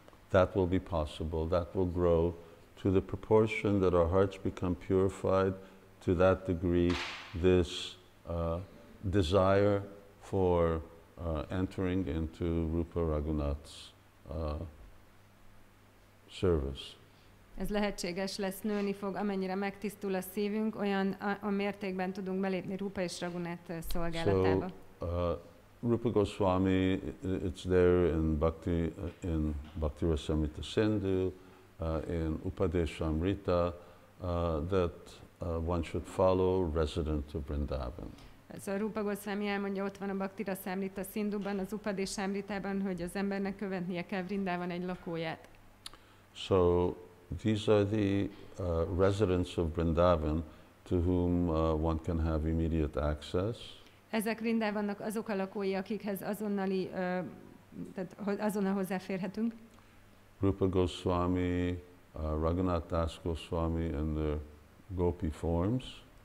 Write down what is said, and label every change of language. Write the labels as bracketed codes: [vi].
[en] That will be possible, that will grow to the proportion that our hearts become purified, to that degree this desire for entering into Rupa Raghunath's service. [hu] Ez lehetséges lesz, nőni fog, amennyire megtisztul a szívünk, olyan a mértékben tudunk belépni Rupa és Raghunath szolgálatába. [en] So, Rupa Goswami, it's there in Bhakti Rasamrita Sindhu, in Upadeshamrita, that one should follow resident of Vṛndāvana. [hu] So Rupa Goswami elmondja, ott van a Bhakti Rasamrita Sindhuban, az Upadeshamritában, hogy az embernek követnie kell Vṛndāvana egy lakóját. [en] So these are the residents of Vṛndāvana to whom one can have immediate access. [hu] Ezek Vṛndāvannak azok a lakói, akikhez azonnali, azonnal hozzáférhetünk. [en] Rupa Goswami, Raghunath Das Goswami and their gopi forms.